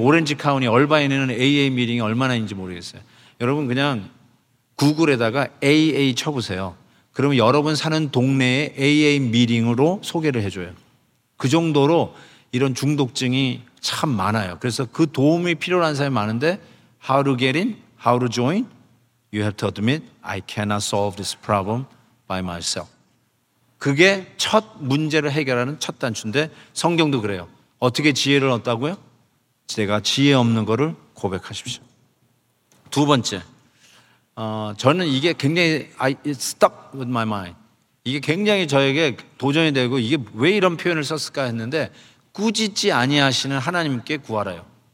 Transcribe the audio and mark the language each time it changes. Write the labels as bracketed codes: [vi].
[ko] 오렌지 카운티 얼바인에는 AA 미팅이 얼마나인지 모르겠어요. 여러분 그냥 구글에다가 AA 쳐보세요. 그러면 여러분 사는 동네에 AA 미팅으로 소개를 해줘요. 그 정도로 이런 중독증이 참 많아요. 그래서 그 도움이 필요한 사람이 많은데 [en] How to get in? How to join? You have to admit I cannot solve this problem by myself. [ko] 그게 첫 문제를 해결하는 첫 단추인데 성경도 그래요. 어떻게 지혜를 얻다고요? 제가 지혜 없는 거를 고백하십시오. 두 번째, 저는 이게 굉장히 [en] it stuck with my mind. [ko] 이게 굉장히 저에게 도전이 되고 이게 왜 이런 표현을 썼을까 했는데 꾸짖지 아니하시는 하나님께 구하라요.